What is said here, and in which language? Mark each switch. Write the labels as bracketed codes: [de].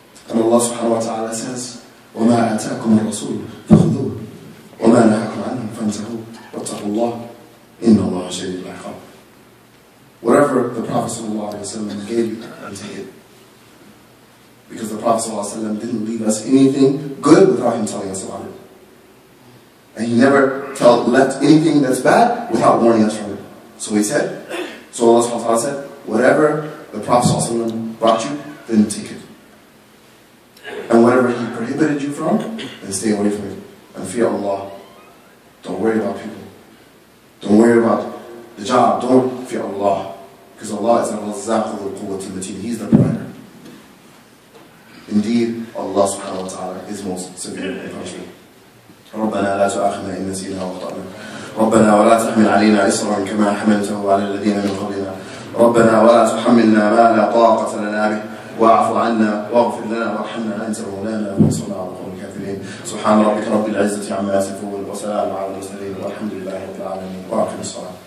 [en] And Allah subhanahu wa ta'ala says, [ar] وَمَا أَتَاكُمْ الرَّسُولُ فَخُذُوهُ وَمَا نَهَاكُمْ عَنْهُ فَانْتَهُوا وَاتَّقُوا اللَّهَ إِنَّ اللَّهَ شَدِيدُ الْعِقَابِ. [en] Whatever the Prophet sallallahu alayhi wa sallam gave you, take it. Because the Prophet sallallahu alayhi wa sallam didn't leave us anything good without him telling us about it. And he never left anything that's bad without warning us from it. So he said, so Allah subhanahu wa ta'ala said, whatever the Prophet sallallahu alayhi wa sallam brought you, then take it. And whatever he prohibited you from, then stay away from it. And fear Allah. Don't worry about people. Don't worry about the job. Don't fear Allah. Because Allah is al-Razzaqu al-Quwwatul Mateen. He's the provider. Indeed, Allah subhanahu wa ta'ala is most severe in punishment. [ar] ربنا لا تؤاخذنا إن نسينا وأخطأنا. ربنا ولا تحمل علينا إصرا كما حملته على الذين من قبلنا. ربنا ولا تحملنا ما لا طاقة لنا به. واعف عنا واغفر لنا وارحمنا أنت مولانا وانصرنا على القوم الكافرين. سبحان ربك رب العزة عما يصفون وسلام على المرسلين والحمد لله رب العالمين. وأقم الصلاة.